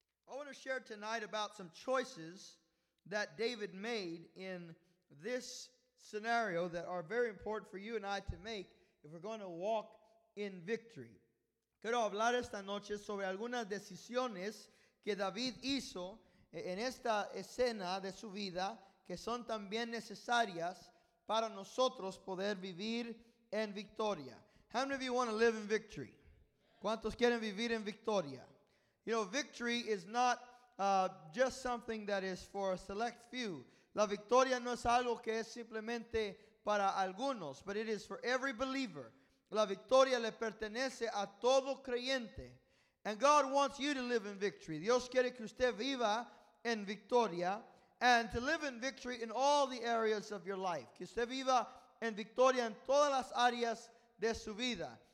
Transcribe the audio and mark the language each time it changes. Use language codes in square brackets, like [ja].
[en] I want to share tonight about some choices that David made in this scenario that are very important for you and I to make if we're going to walk in victory. [es] Quiero hablar esta noche sobre algunas decisiones que David hizo en esta escena de su vida que son también necesarias para nosotros poder vivir en victoria. [en] How many of you want to live in victory? [es] ¿Cuántos quieren vivir en victoria? [en] You know, victory is not just something that is for a select few. [es] La victoria no es algo que es simplemente para algunos, [en] but it is for every believer. [es] La victoria le pertenece a todo creyente. [en] And God wants you to live in victory. [es] Dios quiere que usted viva en victoria. [en] And to live in victory in all the areas of your life. [es] Que usted viva en victoria en todas las áreas de su vida.